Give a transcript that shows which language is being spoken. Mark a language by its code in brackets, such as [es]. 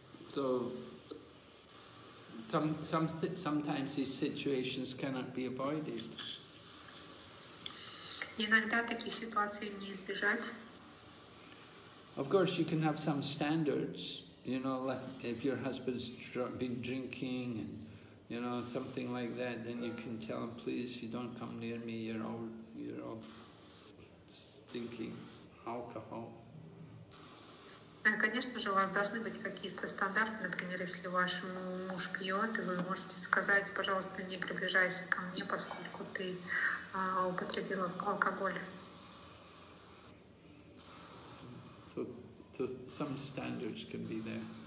[en] So, sometimes these situations cannot be avoided. [ru] Иногда такие ситуации не избежать. [en] Of course, you can have some standards, you know, like if your husband's been drinking and, you know, something like that, then you can tell him, please, you don't come near me, you're all stinking alcohol. [ru] Конечно же, у вас должны быть какие-то стандарты, например, если ваш муж пьет, вы можете сказать, пожалуйста, не приближайся ко мне, поскольку ты употребил алкоголь. [en] So some standards can be there.